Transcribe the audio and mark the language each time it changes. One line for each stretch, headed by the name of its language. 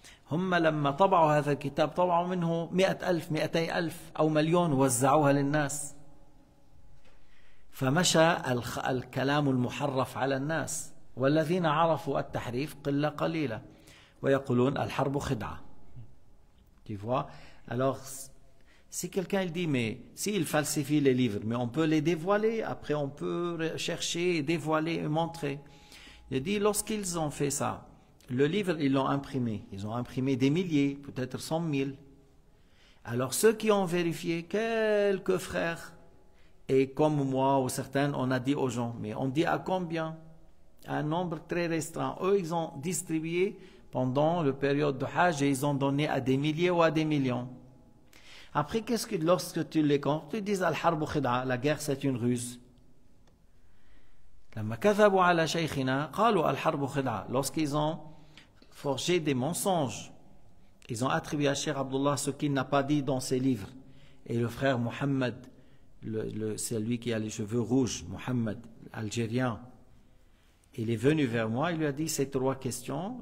Arabic: هم لما طبعوا هذا الكتاب طبعوا منه 100,000 200,000 أو مليون وزعوها للناس فمشى الكلام المحرف على الناس والذين عرفوا التحريف قلة قليلة ويقولون الحرب خدعة.
French: Tu vois? Alors, si quelqu'un il dit, mais si il falsifie les livres, mais on peut les dévoiler, après on peut chercher, dévoiler et montrer. Il dit, lorsqu'ils ont fait ça, le livre, ils l'ont imprimé. Ils ont imprimé des milliers, peut-être 100 000. Alors, ceux qui ont vérifié, quelques frères, et comme moi ou certains, on a dit aux gens, mais on dit à combien? Un nombre très restreint. Eux, ils ont distribué pendant la période de Hajj et ils ont donné à des milliers ou à des millions. Après, qu'est-ce que lorsque tu les comptes, tu dis
Arabic: Al-Harb Khida,
French: la guerre, c'est une ruse.
Arabic: لما كذبوا على شيخنا قالوا الحرب خدعة.
French: Lorsqu'ils ont forgé des mensonges, ils ont attribué à Cheikh Abdullah ce qu'il n'a pas dit dans ses livres. Et le frère Mohamed, c'est lui qui a les cheveux rouges, Mohamed, algérien, il est venu vers moi, il lui a dit ces 3 questions.